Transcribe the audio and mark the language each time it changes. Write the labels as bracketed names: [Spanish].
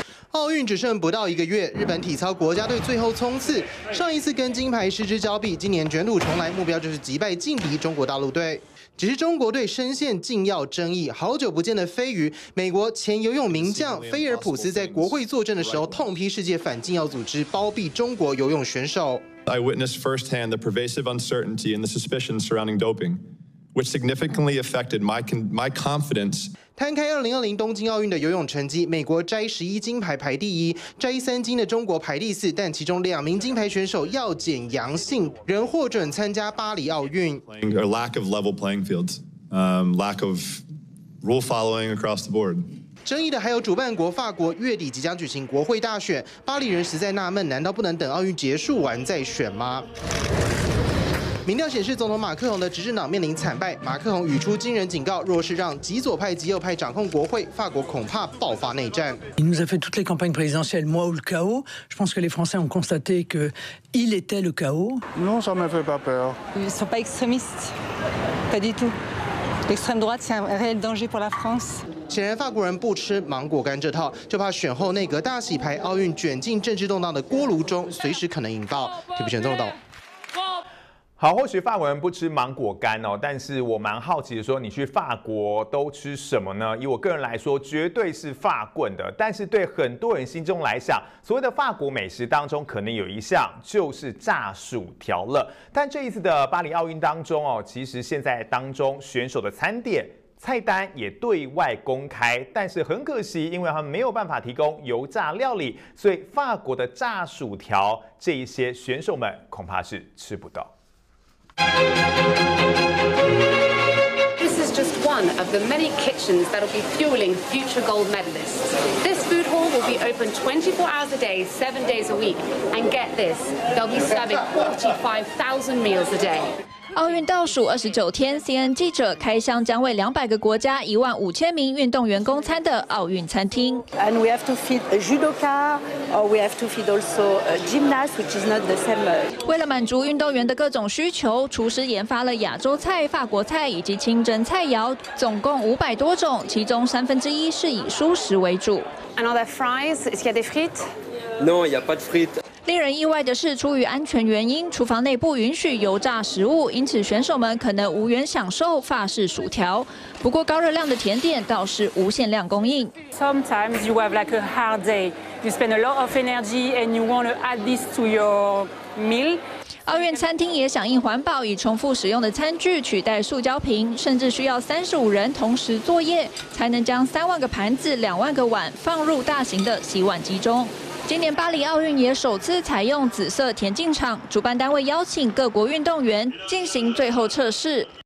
[Chinese] 奥运只剩不到一个月，日本体操国家队最后冲刺，上一次跟金牌失之交臂，今年卷土重来，目标就是击败劲敌中国大陆队。只是中国队深陷禁药争议，好久不见的飞鱼，美国前游泳名将菲尔普斯在国会作证的时候痛批世界反禁药组织包庇中国游泳选手。 [English] I witnessed firsthand the pervasive uncertainty and the suspicion surrounding doping, which significantly affected my confidence. [Chinese] 摊开2020东京奥运的游泳成绩，美国摘11金牌排第一，摘三金的中国排第四，但其中两名金牌选手药检阳性，仍获准参加巴黎奥运。 [English] A lack of level playing fields, lack of rule following across the board. [Chinese] 争议的还有主办国法国月底即将举行国会大选，巴黎人实在纳闷，难道不能等奥运结束完再选吗？民调显示，总统马克宏的执政党面临惨败，马克宏语出惊人警告，若是让极左派、极右派掌控国会，法国恐怕爆发内战。 [French] Il nous a fait toutes les campagnes présidentielles, moi ou le chaos. Je pense que les Français ont constaté que il était le chaos. Non, ça me fait pas peur. Ils sont pas extrémistes, pas du tout. L'extrême droite, c'est un réel danger pour la France. [Chinese] 显然，法国人不吃芒果干这套，就怕选后内阁大洗牌，奥运卷进政治动荡的锅炉中，随时可能引爆。 TVBS 新闻报道。好，或许法国人不吃芒果干哦，但是我蛮好奇的，说你去法国都吃什么呢？以我个人来说，绝对是法棍的。但是对很多人心中来讲，所谓的法国美食当中，可能有一项就是炸薯条了。但这一次的巴黎奥运当中哦，其实现在当中选手的餐点菜单也对外公开，但是很可惜，因为他们没有办法提供油炸料理，所以法国的炸薯条这一些选手们恐怕是吃不到。 [English] This is just one of the many kitchens that will be fueling future gold medalists. This food hall will be open 24 hours a day, 7 days a week. And get this, they'll be serving 45,000 meals a day. [Chinese] 奥运倒数29天 ，CNN 记者开箱将为200个国家15000名运动员供餐的奥运餐厅。 [English] And we have to feed a judoka, or we have to feed also a gymnast, which is not the same. [Chinese] 为了满足运动员的各种需求，厨师研发了亚洲菜、法国菜以及清真菜肴，总共500多种，其中三分之一是以蔬食为主。 [English] Another fries? Is there [French] des frites? Non, il y a pas de frites. [Chinese] 令人意外的是，出于安全原因，厨房内不允许油炸食物，因此选手们可能无缘享受法式薯条。不过，高热量的甜点倒是无限量供应。 [English] Sometimes you have like a hard day, you spend a lot of energy and you want to add this to your meal. [Chinese] 奥运餐厅也响应环保，以重复使用的餐具取代塑胶瓶，甚至需要35人同时作业，才能将3万个盘子、2万个碗放入大型的洗碗机中。今年巴黎奥运也首次采用紫色田径场，主办单位邀请各国运动员进行最后测试。